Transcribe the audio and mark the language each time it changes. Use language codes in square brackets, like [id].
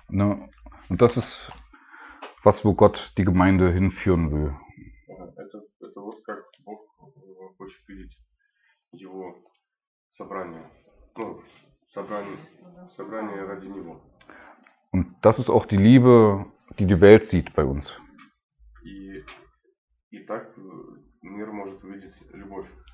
[de] Ну, das ist was, wo Gott die Gemeinde hinführen will. [ru] Это вот как Бог хочет видеть его собрание. Ну, собрание ради него. [de] Und das ist auch die Liebe, die die Welt sieht bei uns. [ru] И так мир может увидеть любовь.